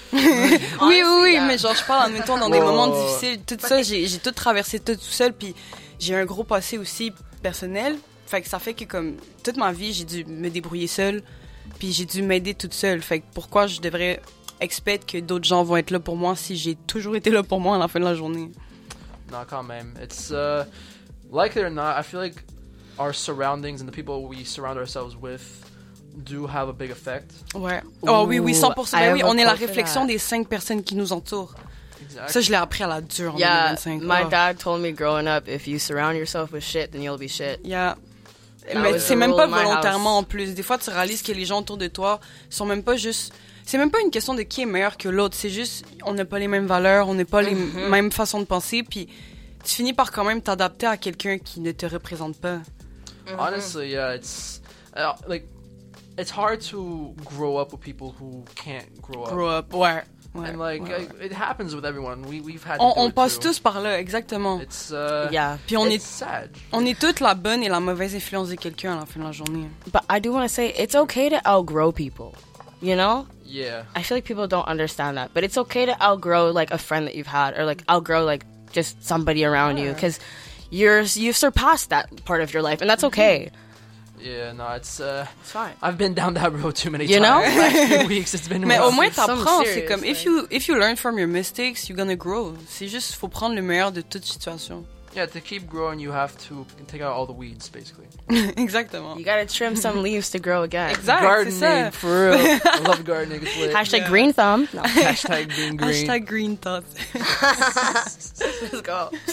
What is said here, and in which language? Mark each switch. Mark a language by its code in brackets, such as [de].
[fr] Oui, mais genre, je parle, admettons, dans des moments difficiles, tout ça, j'ai tout traversé tout seul, puis j'ai un gros passé aussi personnel. Fait que ça fait que, comme, toute ma vie, j'ai dû me débrouiller seule, puis j'ai dû m'aider toute seule. Fait que pourquoi je devrais expecter que d'autres gens vont être là pour moi si j'ai toujours été là pour moi à la fin de la journée? Non, quand même. [en] It's, like it or not, I feel like our surroundings and the people we surround ourselves with do have a big effect. [fr] Ouais. Oh, ooh, oui, 100%. Ben oui, on est la réflexion des 5 personnes qui nous entourent. [en] Exactly. [fr] Ça, je l'ai appris à la dure en 2025. [en] My dad told me growing up, if you surround yourself with shit, then you'll be shit. Yeah. [fr] Mais c'est même pas volontairement en plus. Des fois, tu réalises que les gens autour de toi sont même pas juste... C'est même pas une question de qui est meilleur que l'autre. C'est juste, on n'a pas les mêmes valeurs, on n'a pas les mêmes façons de penser. Puis, tu finis par quand même t'adapter à quelqu'un qui ne te représente pas. [en] Honestly, yeah, it's... it's hard to grow up with people who can't grow up. Grow up, [fr] ouais. Ouais, [en] and it happens with everyone. We've had. [fr] On passe tous par là, exactement. [en] It's [fr] Puis on [en] it's [fr] est [en] sad. [fr] On est toutes la bonne et la mauvaise influence de quelqu'un à la fin de la journée. [en] But I do want to say it's okay to outgrow people, you know? Yeah. I feel like people don't understand that, but it's okay to outgrow like a friend that you've had or like outgrow like just somebody around you because you've surpassed that part of your life and that's okay. Mm-hmm. Yeah, no, it's fine. I've been down that road too many you times. You know, last few weeks it's been. [fr] Mais au moins t'apprends. C'est comme [en] if you learn from your mistakes, you're gonna grow. [fr] C'est juste faut prendre le meilleur de toute situation. [en] Yeah, to keep growing, you have to take out all the weeds, basically. [fr] Exactement. [en] You gotta trim some leaves to grow again. Exactly. Gardening, [fr] c'est ça. [en] For real. I love gardening. It's lit. Hashtag green thumb. No. Hashtag being green. Hashtag green thumb. Let's go.